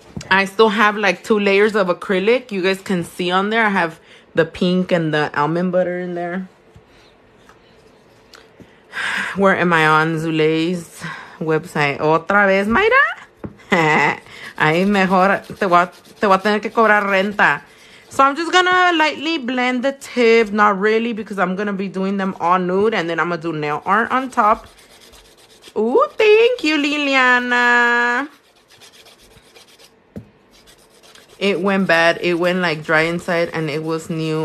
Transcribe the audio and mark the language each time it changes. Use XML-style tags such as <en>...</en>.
<en>I still have like 2 layers of acrylic. You guys can see on there. I have the pink and the almond butter in there. Where am I on Zule's website?</en> <es>Otra vez, Mayra? Ay, mejor te voy a tener que cobrar renta.</es> <en>So I'm just going to lightly blend the tip. Not really, because I'm going to be doing them all nude. And then I'm going to do nail art on top. Ooh, thank you, Liliana. It went bad. It went like dry inside and it was new.</en>